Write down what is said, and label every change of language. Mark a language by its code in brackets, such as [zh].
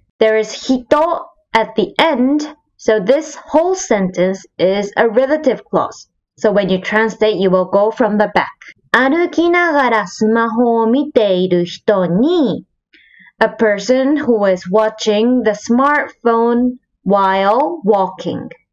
[en] There is 人 at the end, so this whole sentence is a relative clause. So when you translate, you will go from the back. [ja] 歩きながらスマホを見ている人に [en] A person who is watching the smartphone while walking.